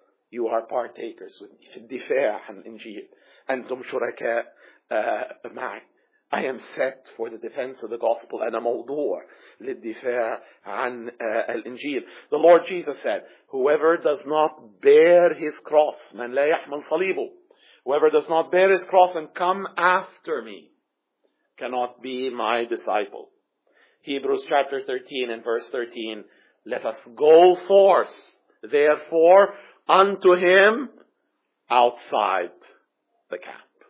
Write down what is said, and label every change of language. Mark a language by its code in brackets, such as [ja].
[en] you are partakers with me. [ar] الدفاع عن الإنجيل. أنتم شركاء معي. [en] I am set for the defense of the gospel. [ar] أنا موضوع للدفاع عن الإنجيل. [en] The Lord Jesus said, whoever does not bear his cross, [ar] من لا يحمل صليبه, [en] whoever does not bear his cross and come after me cannot be my disciple. Hebrews chapter 13 and verse 13, let us go forth, therefore, unto him outside the camp.